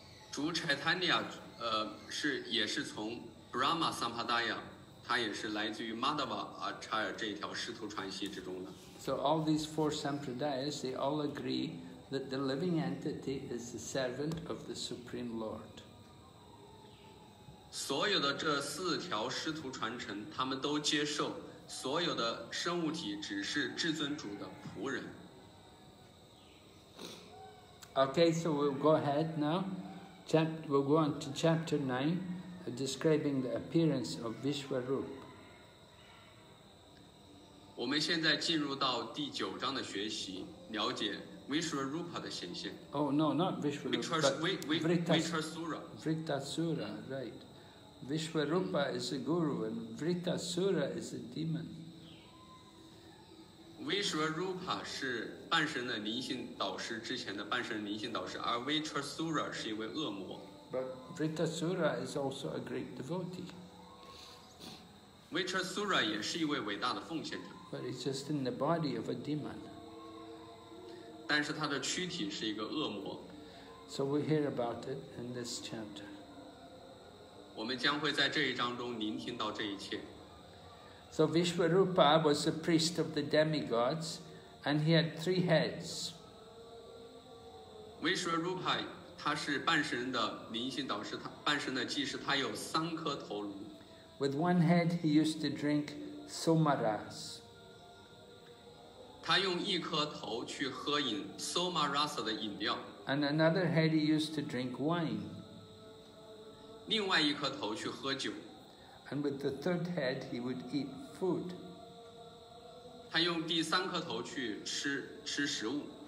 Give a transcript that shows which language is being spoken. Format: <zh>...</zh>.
<zh>主 Chaitanya 是也是从 Brahma Sampradaya, 他也是来自于 Madhva Acharya 这一条师徒传系之中的。</zh> <en>So all these four Sampradayas, they all agree that the living entity is the servant of the Supreme Lord.</en> <zh>所有的这四条师徒传承，他们都接受所有的生物体只是至尊主的仆人。</zh> <en>Okay, so we'll go ahead now. We'll go on to chapter 9, describing the appearance of Vishwarup.</en> <zh>我们现在进入到第九章的学习，了解 Vishwarupa 的显现。</zh> <en>Oh, no, not Vishwarupa, Vritasura. Vritasura, right. Vishwarupa is the guru and Vritasura is the demon. Vishwarupa is the</en> <zh>半神的灵性导师之前的半神灵性导师，而 Vritasura 是一位恶魔。</zh> <en>But Vritasura is also a great devotee.</en> <zh>Vritasura 也是一位伟大的奉献者。</zh> <en>But he's just in the body of a demon.</en> <zh>但是他的躯体是一个恶魔。</zh> <en>So we hear about it in this chapter.</en> <zh>我们将会在这一章中聆听到这一切。</zh> <en>So Vishwarupa was a priest of the demigods, and he had three heads.</en> <zh>Vishwarupa, 他是半神的灵性导师，半神的祭师，他有三颗头颅。</zh> <en>With one head, he used to drink somaras.</en> <zh>他用一颗头去喝饮 somarasa 的饮料。</zh> <en>And another head, he used to drink wine.</en> <zh>另外一颗头去喝酒。</zh> <en>And with the third head, he would eat food.</en> <zh>他用第三颗头去吃食物。</zh>